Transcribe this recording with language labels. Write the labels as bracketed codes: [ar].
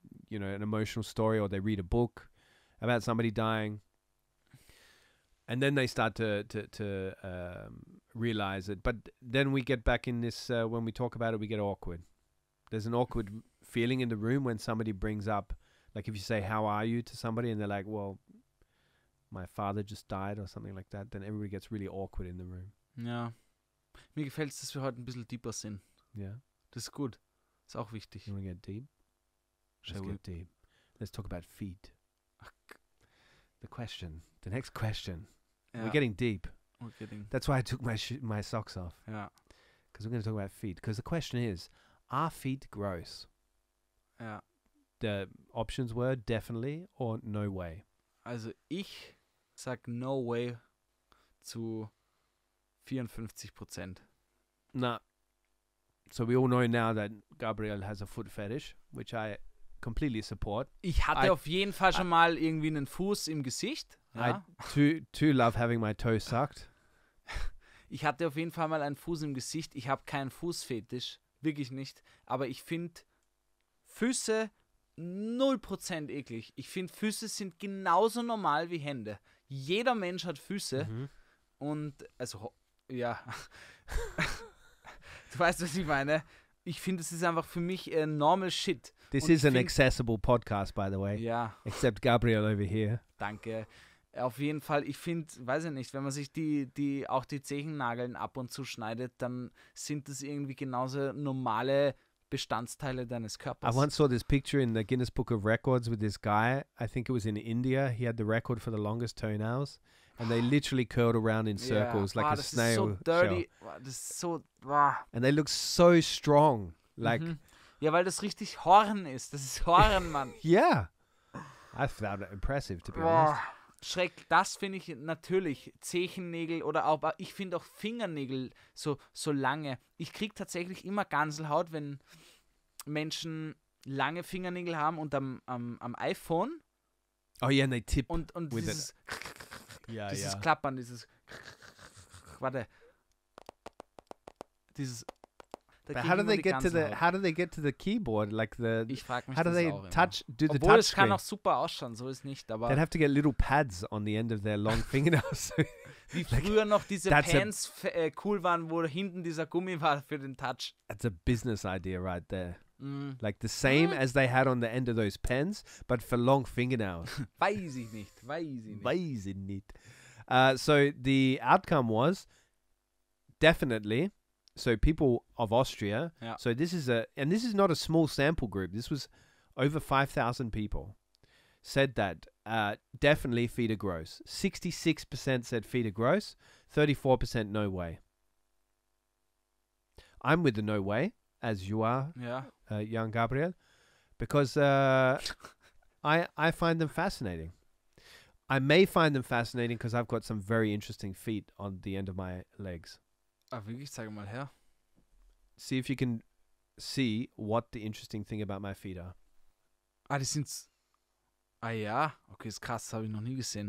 [en] you know, an emotional story, or they read a book about somebody dying, and then they start to realize it. But then we get back in this, when we talk about it, we get awkward. There's an awkward feeling in the room when somebody brings up, like if you say, how are you, to somebody, and they're like, well, my father just died or something like that, then everybody gets really awkward in the room. Yeah. [de] Mir gefällt es, dass wir heute ein bisschen [en] deeper [de] sind. [en] Yeah. [de] Das ist gut. Das ist auch wichtig. [en] You want to get deep? Let's talk about feet. The next question. Yeah. We're getting deep. We're getting. That's why I took my socks off. Yeah. Because we're going to talk about feet. Because the question is, are feet gross? Yeah. The options were definitely or no way. [de] Also ich sag [en] no way [de] zu 54%. [en] Nah. So we all know now that Gabriel has a foot fetish, which I completely support. [de] Ich hatte auf jeden Fall schon mal irgendwie einen Fuß im Gesicht. Ja. [en] I too love having my toes sucked. [de] Ich hatte auf jeden Fall mal einen Fuß im Gesicht. Ich habe keinen Fußfetisch. Wirklich nicht. Aber ich finde Füße 0% eklig. Ich finde, Füße sind genauso normal wie Hände. Jeder Mensch hat Füße. Mhm. Und, also, ja. Du weißt, was ich meine. Ich finde, es ist einfach für mich normal [en] shit. This [de] und [en] is an accessible podcast, by the way. [de] Ja. [en] Except Gabriel over here. [de] Danke. Auf jeden Fall, ich finde, weiß ich nicht, wenn man sich die Zehennageln ab und zu schneidet, dann sind das irgendwie genauso normale Bestandteile deines Körpers. [en] I once saw this picture in the Guinness Book of Records with this guy. I think it was in India. He had the record for the longest toenails. And they literally curled around in circles like a snail shell. [de] Das ist so [en] dirty. And they look so strong. Like, [de] ja, weil das richtig Horn ist. Das ist Horn, Mann. [en] Yeah. I found it impressive, to be honest. [de] Schreck, das finde ich natürlich. Zehennägel oder auch, ich finde auch Fingernägel so lange. Ich kriege tatsächlich immer Ganselhaut, wenn Menschen lange Fingernägel haben und am iPhone. [en] Oh yeah, and they tip. [de] Und [en] with [de] dieses... Klappern, dieses... Warte. Dieses... [en] How do they get to the keyboard? Like the... [de] Ich frag mich [en] how do [de] das [en] they [de] auch [en] touch, [de] immer. [en] Do the [de] obwohl, [en] touch [de] es kann auch super ausschauen, so ist nicht, aber... [en] They'd have to get little pads on the end of their long fingernails. [de] Wie früher noch diese Pants cool waren, wo hinten dieser Gummi war für den Touch. [en] That's a business idea right there. Mm. Like the same as they had on the end of those pens, but for long fingernails. [de] Weiß ich nicht. [en] So the outcome was definitely, so people of Austria, so this is not a small sample group. This was over 5,000 people said that definitely feet are gross. 66% said feet are gross. 34% no way. I'm with the no way. As you are, young Gabriel, because I find them fascinating. I may find them fascinating because I've got some very interesting feet on the end of my legs. [de] Ah, wirklich? Zeig mal her. [en] See if you can see what the interesting thing about my feet are. [de] Ah, die sind's. Ah ja, okay, ist krass, das habe ich noch nie gesehen.